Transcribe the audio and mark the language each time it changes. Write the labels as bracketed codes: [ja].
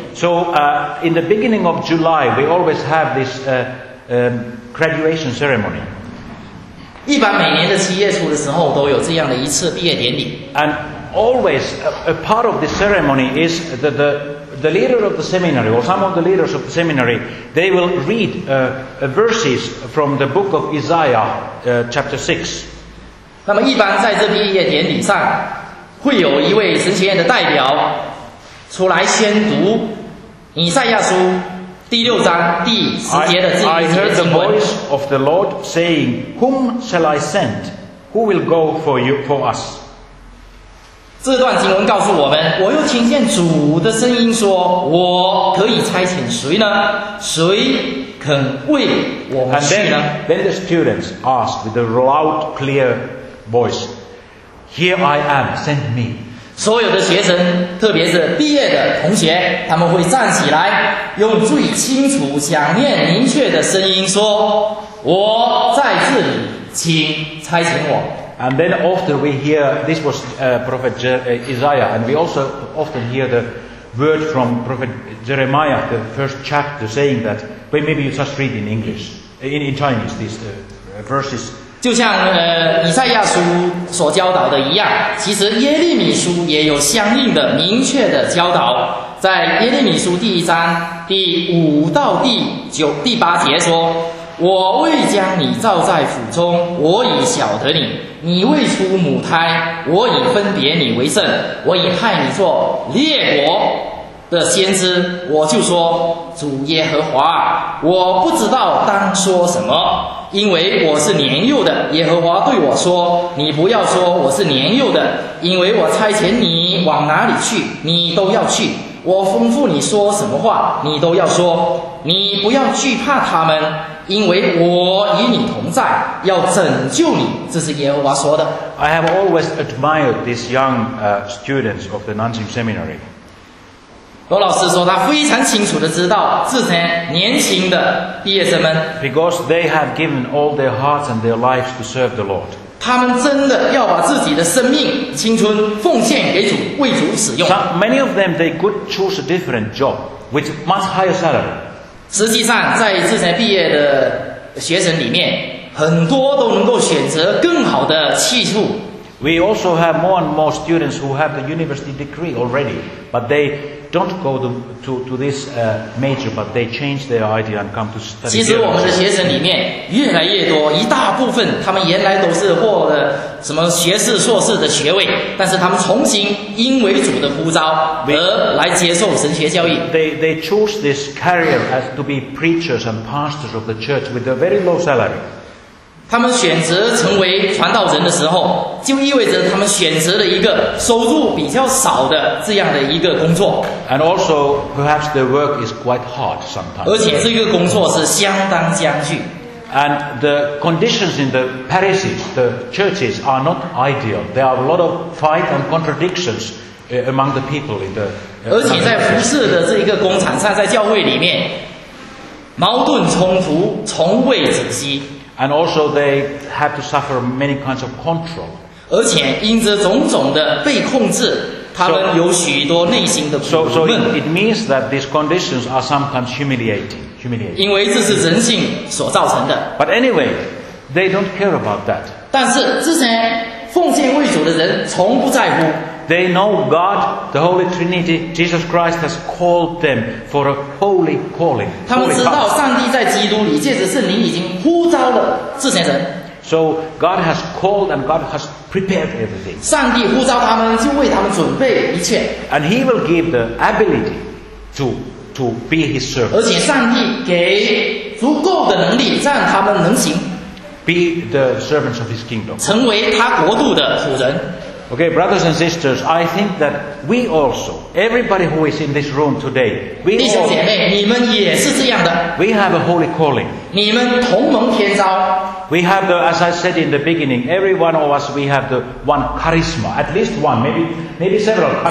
[en] So, in the beginning of July, we always have this graduation ceremony. [zh] 一般每年的七月初的时候都有这样的一次毕业典礼。 [en] And always a part of the ceremony is that the leader of the seminary or some of the leaders of the seminary, they will read verses from the book of Isaiah, chapter 6. [zh] 那么一般在这毕业典礼上会有一位神学院的代表出来先读以赛亚书第六章第十节的字经文。 [en] I heard the voice of the Lord saying, Whom shall I send? Who will go for us? [zh] 这段经文告诉我们，我又听见主的声音说，我可以差遣谁呢？谁肯为我们去呢？ [en] And then the students asked with a loud, clear voice, Here I am, send me. [zh] 所有的学生，特别是毕业的同学，他们会站起来，用最清楚、响亮、明确的声音说，我在这里，请差遣我。 [en] And then often we hear, this was Prophet Isaiah, and we also often hear the word from Prophet Jeremiah, the first chapter, saying that, but maybe you just read in English, in Chinese, these verses. [zh] 就像以赛亚书所教导的一样，其实耶利米书也有相应的明确的教导，在耶利米书第一章第五到第九第八节说，我未将你造在腹中，我已晓得你。你未出母胎，我已分别你为圣。我已派你做列国的先知。我就说，主耶和华，我不知道当说什么，因为我是年幼的。耶和华对我说，你不要说我是年幼的，因为我差遣你往哪里去，你都要去。我吩咐你说什么话，你都要说。你不要惧怕他们。因为我与你同在，要拯救你，这是耶和华说的。 [en] I have always admired these young students of the Nanjing Seminary. [zh] 罗老师说他非常清楚地知道这些年轻的毕业生们。 [en] Because they have given all their hearts and their lives to serve the Lord. [zh] 他们真的要把自己的生命、青春奉献给主，为主使用。 [en] Many of them they could choose a different job with much higher salary. [zh] 实际上在这些毕业的学生里面很多都能够选择更好的去处。 [en] We also have more and more students who have the university degree already, but they don't go to this major, but they change their idea and come to study. [zh] 其实我们的学生里面越来越多，一大部分他们原来都是获了什么学士硕士的学位，但是他们重新因为主的呼召而来接受神学教育。 [en] They choose this career as to be preachers and pastors of the church with a very low salary. [zh] 他们选择成为传道人的时候，就意味着他们选择了一个收入比较少的这样的一个工作。 [en] And also perhaps the work is quite hard sometimes. [zh] 而且这个工作是相当艰巨。 [en] And the conditions in the parishes, the churches, are not ideal. There are a lot of fight and contradictions among the people in the. [zh] 而且在服事的这个工厂上，在教会里面，矛盾冲突从未止息。 [en] And also, they have to suffer many kinds of control. [zh] 而且因着种种的被控制，他们有许多内心的苦闷。 [en] So it means that these conditions are sometimes humiliating. [zh] 因为这是人性所造成的。 [en] But anyway, they don't care about that. [zh] 但是这些奉献为主的人从不在乎。 [en] They know God, the Holy Trinity, Jesus Christ has called them for a holy calling. [zh] 他们知道上帝在基督里借着圣灵已经呼召了这些人。 [en] So God has called and God has prepared everything. [zh] 上帝呼召他们就为他们准备一切。 [en] And He will give the ability to be his servant. [zh] 而且上帝给足够的能力让他们能行。 [en] Be the servants of his kingdom. [zh] 成为他国度的仆人。 [en] Okay, brothers and sisters, I think that we also, everybody who is in this room today, we all, [zh] 弟兄姐妹，你们也是这样的。 [en] We have a holy calling. [zh] 你们同蒙天召。 [en] We have the, as I said in the beginning, every one of us, we have the one charisma, at least one, maybe several charisma.